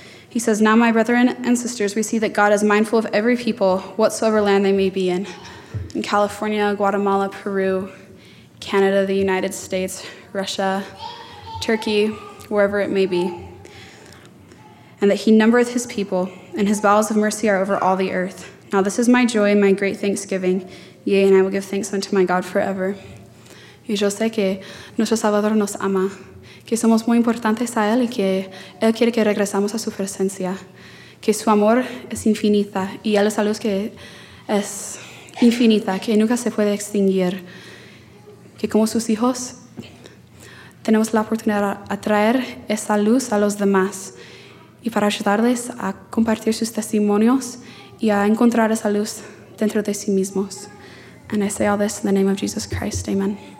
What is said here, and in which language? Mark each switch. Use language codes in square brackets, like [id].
[en] He says, now, my brethren and sisters, we see that God is mindful of every people, whatsoever land they may be in California, Guatemala, Peru, Canada, the United States, Russia, Turkey, wherever it may be, and that he numbereth his people, and his bowels of mercy are over all the earth. Now this is my joy and my great thanksgiving, yea, and I will give thanks unto my God forever. [es] Y yo sé que nuestro Salvador nos ama, que somos muy importantes a él y que él quiere que regresamos a su presencia, que su amor es infinita y él es algo que es infinita, que nunca se puede extinguir, que como sus hijos tenemos la oportunidad de atraer esa luz a los demás y para ayudarles a compartir sus testimonios y a encontrar esa luz dentro de sí mismos. [en] And I say all this in the name of Jesus Christ. Amen.